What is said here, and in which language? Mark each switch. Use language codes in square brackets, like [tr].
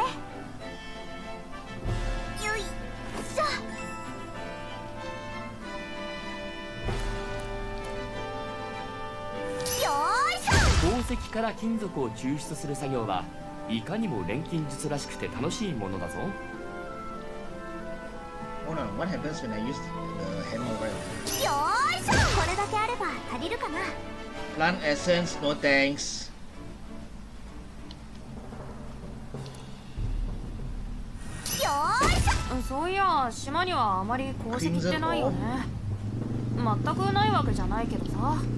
[ja] よいしょ。よいしょ。宝石から金属を抽出する作業はいかにも錬金術らしくて楽しいものだぞ。 [en] Hold on, what happens when I use the hammer rail? [ja] よいしょ。これだけあれば足りるかな。 [en] Plant essence, no thanks. [ja] よーいしょ。そういや、島にはあまり鉱石ってないよね。全くないわけじゃないけどさ。